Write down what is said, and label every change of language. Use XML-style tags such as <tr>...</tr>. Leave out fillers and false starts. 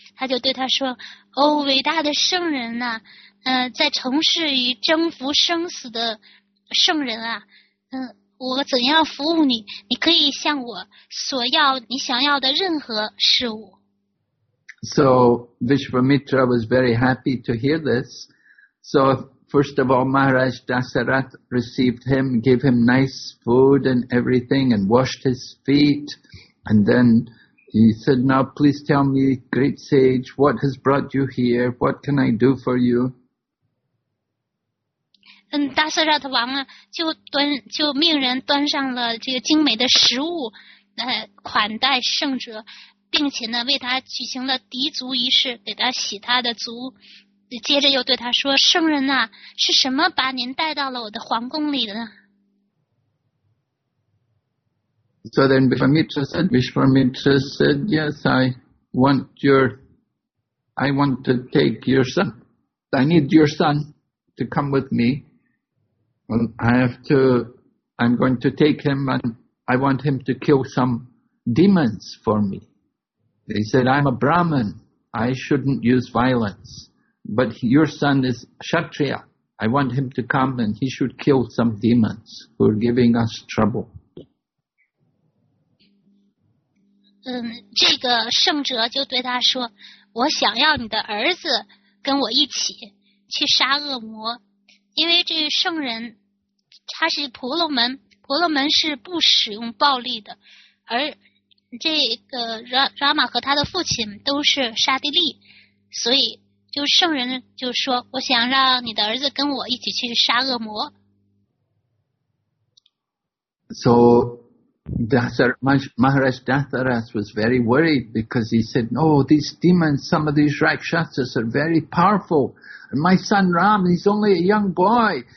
<zh>他就对他说，哦，伟大的圣人呢、啊、在城市与征服生死的圣人啊，我怎样服务你，你可以向我索要你想要的任何事物。</zh> <en>So Vishwamitra was very happy to hear this. So first of all, Maharaj Dasarath received him, gave him nice food and everything, and washed his feet. And then he said, now please tell me, great sage, what has brought you here? What can I do for you?</en> <zh>Dasarath 王啊，就命人端上了这个精美的食物，款待圣哲。并且呢为他举行了涤足仪式，给他洗他的足，接着又对他说，圣人啊，是什么把您带到了我的皇宫里的呢？</zh> <en>So then Vishwamitra said, yes, I need your son to come with me. I'm going to take him and I want him to kill some demons for me. He said, I'm a Brahmin. I shouldn't use violence. But your son is Kshatriya. I want him to come and he should kill some demons who are giving us trouble.</en> <zh>这个圣哲就对他说，我想要你的儿子跟我一起去杀恶魔。因为这圣人他是婆罗门，婆罗门是不使用暴力的，而这个 Rama 和他的父亲都是沙地利，所以就圣人就说，我想让你的儿子跟我一起去杀恶魔。</zh> <en>So Maharaj Dasarath was very worried because he said, oh, these demons, some of these Rakshasas are very powerful. And my son Ram, he's only a young boy.</en>